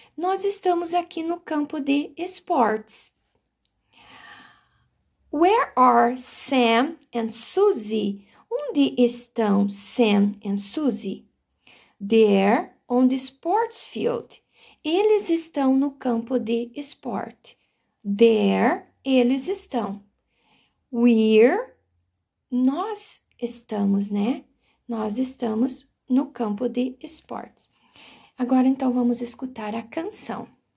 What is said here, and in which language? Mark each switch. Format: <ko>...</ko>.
<pt>Nós estamos aqui no campo de esportes.</pt> <en>Where are Sam and Susie?</en> <pt>Onde estão</pt> <en>Sam and Susie? They're on the sports field.</en> <pt>Eles estão no campo de esporte. There, eles estão. We're, nós estamos, né? Nós estamos no campo de esportes. Agora, então, vamos escutar a canção.</pt>